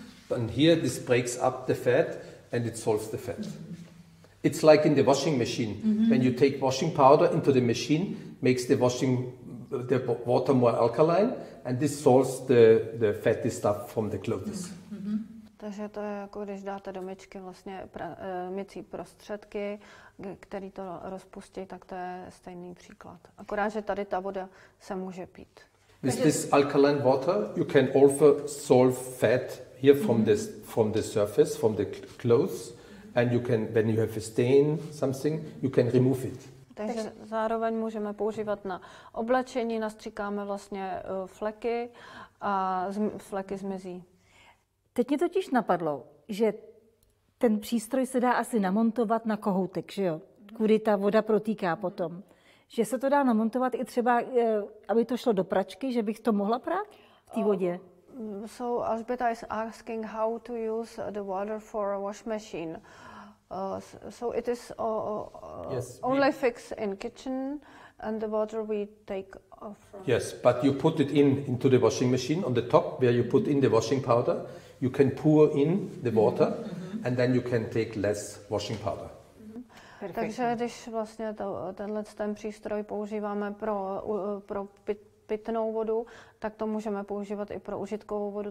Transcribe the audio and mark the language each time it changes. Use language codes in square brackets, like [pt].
[en] And here this breaks up the fat and it solves the fat. It's like in the washing machine. Mm-hmm. When you take washing powder into the machine, makes the water more alkaline and this solves the fatty stuff from the clothes. Mm-hmm. [cs] Takže to je jako když dáte do myčky vlastně mycí prostředky, který to rozpustí, tak to je stejný příklad. Akorát, že tady ta voda se může pít. [en] With this alkaline water, you can also solve fat here from the surface, from the clothes, and you can, when you have a stain, something, you can remove it. [cs] Takže zároveň můžeme používat na oblečení, nastříkáme vlastně fleky a fleky zmizí. Teď mě totiž napadlo, že ten přístroj se dá asi namontovat na kohoutek, že jo? Kudy ta voda protýká potom. Že se to dá namontovat i třeba, aby to šlo do pračky, že bych to mohla prát v té vodě? [en] So Alžbeta is asking how to use the water for a wash machine. So it is only fixed in kitchen, and the water we take off. Yes, but you put it in into the washing machine on the top where you put in the washing powder. You can pour in the water, mm-hmm. and then you can take less washing powder. Perfect. [cs] Takže když vlastně tenhle ten přístroj používáme pro pitnou vodu, tak to můžeme používat i pro užitkovou vodu.